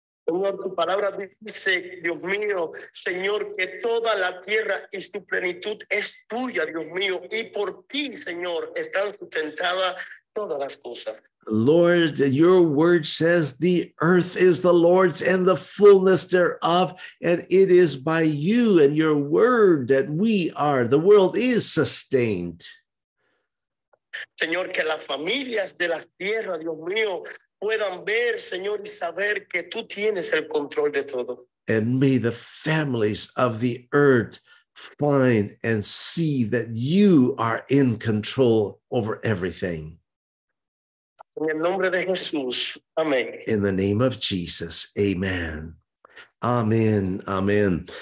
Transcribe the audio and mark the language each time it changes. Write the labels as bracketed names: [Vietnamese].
[Spanish] Señor, tu palabra dice, Dios mío, Señor, que toda la tierra y su plenitud es tuya, Dios mío, y por ti, Señor, están sustentadas todas las cosas. [English] Lord, your word says the earth is the Lord's and the fullness thereof, and it is by you and your word that we are. The world is sustained. [Spanish] Señor, que las familias de la tierra, Dios mío, puedan ver, Señor, y saber que tú tienes el control de todo. [English] And may the families of the earth find and see that you are in control over everything. [Spanish] En el nombre de Jesús. Amén. [English] In the name of Jesus. Amen. Amen. Amen.